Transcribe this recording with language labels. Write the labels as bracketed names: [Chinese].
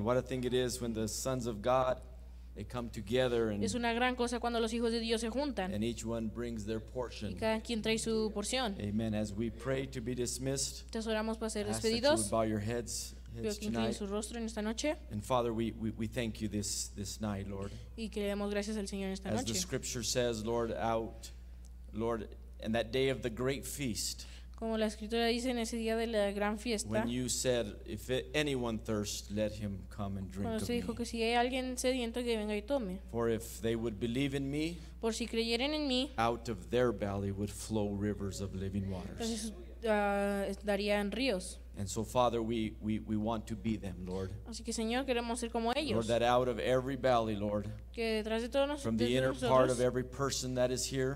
[English] What a thing it is when the sons of God they come together and [Spanish] Es una gran cosa cuando los hijos de Dios se juntan. [English] And each one brings their portion. [Spanish] Y cada quien trae su porción. [English] Amen. As we pray to be dismissed. [Spanish] Te oramos para ser despedidos. [English] Bow your heads. tonight. [Spanish] En esta noche. [English] And Father, we thank you this night, Lord. [Spanish] Y que le damos gracias al Señor esta [English] As [Spanish] noche. [English] The scripture says, Lord, out, Lord, in that day of the great feast. [Spanish] Como la escritura dice, en ese día de la gran fiesta. [English] When you said, if anyone thirsts, let him come and drink of me. [Spanish] Dijo que si hay alguien sediento, que venga y tome. [English] For if they would believe in me, [Spanish] por si creyeran en mí, [English] out of their belly would flow rivers of living waters. [Spanish] Entonces, darían ríos. [English] And so, Father, we want to be them, Lord. [Spanish] Así que, Señor, queremos ser como ellos. [English] Lord, that out of every belly, Lord, [Spanish] que detrás de todos [English] from the inner [Spanish] nosotros, [English] part of every person that is here,